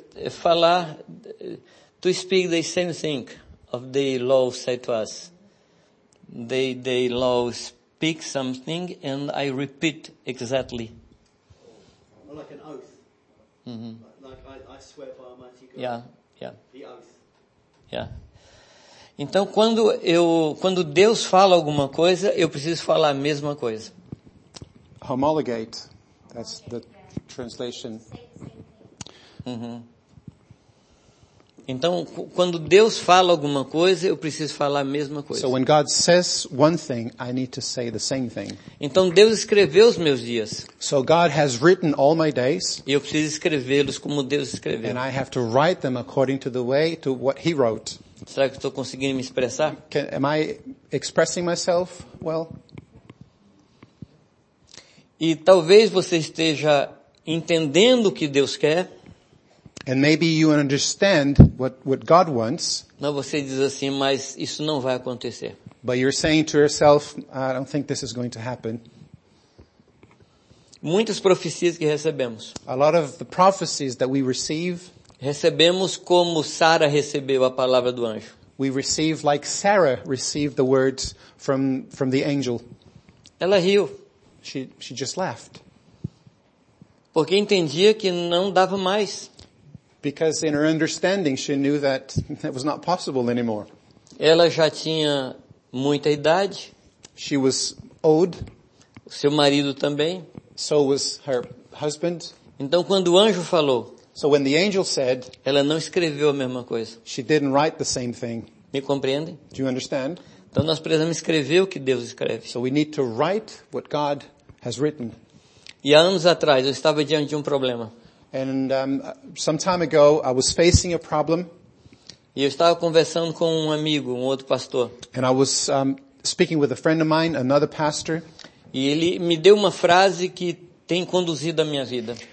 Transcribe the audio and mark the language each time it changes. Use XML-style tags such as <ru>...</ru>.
<pt>Falar,</pt> <en>to speak the same thing of the law said to us. The law speaks something and I repeat exactly. Like an oath. Mm-hmm. Like I swear by Almighty God. Yeah. The oath. Yeah.</en> <pt>Então, quando Deus fala alguma coisa, eu preciso falar a mesma coisa.</pt> <en>Homologate. That's the translation. Uhum.</en> <pt>Então, quando Deus fala alguma coisa, eu preciso falar a mesma coisa.</pt> <en>So when God says one thing, I need to say the same thing.</en> <pt>Então Deus escreveu os meus dias.</pt> <en>So God has written all my days.</en> <pt>E eu preciso escrevê-los como Deus escreveu.</pt> <en>And I have to write them according to the way to what he wrote.</en> <pt>Será que estou conseguindo me expressar?</pt> <en>Am I expressing myself well?</en> <pt>E talvez você esteja entendendo o que Deus quer.</pt> <en>And maybe you understand what God wants.</en> <pt>Não, você diz assim, mas isso não vai acontecer.</pt> <en>But you're saying to yourself, I don't think this is going to happen.</en> <pt>Muitas profecias que recebemos.</pt> <en>A lot of the prophecies that we receive.</en> <pt>Recebemos como Sara recebeu a palavra do anjo.</pt> <en>We receive like Sarah received the words from the angel.</en> <pt>Ela riu.</pt> <en>She just laughed.</en> <pt>Porque entendia que não dava mais.</pt> <en>Because in her understanding, she knew that it was not possible anymore.</en> <pt>Ela já tinha muita idade.</pt> <en>She was old.</en> <pt>O seu marido também.</pt> <en>So was her husband.</en> <pt>Então, quando o anjo falou,</pt> <en>so when the angel said,</en> <pt>ela não escreveu a mesma coisa.</pt> <en>She didn't write the same thing.</en> <pt>Me compreendem?</pt> <en>Do you understand?</en> <pt>Então, nós precisamos escrever o que Deus escreve.</pt> <en>So we need to write what God has written.</en> <pt>E anos atrás, eu estava diante de um problema.</pt> <en>And some time ago I was facing a problem.</en> <pt>E eu estava conversando com um amigo, um outro pastor.</pt> <en>And I was speaking with a friend of mine, another pastor.</en> <pt>E ele me deu uma frase que tem conduzido a minha vida.</pt>